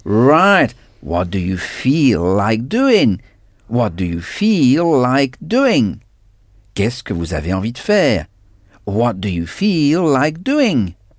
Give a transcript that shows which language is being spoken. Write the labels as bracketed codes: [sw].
[en] Right, what do you feel like doing? What do you feel like doing? [fr] Qu'est-ce que vous avez envie de faire? [en] What do you feel like doing?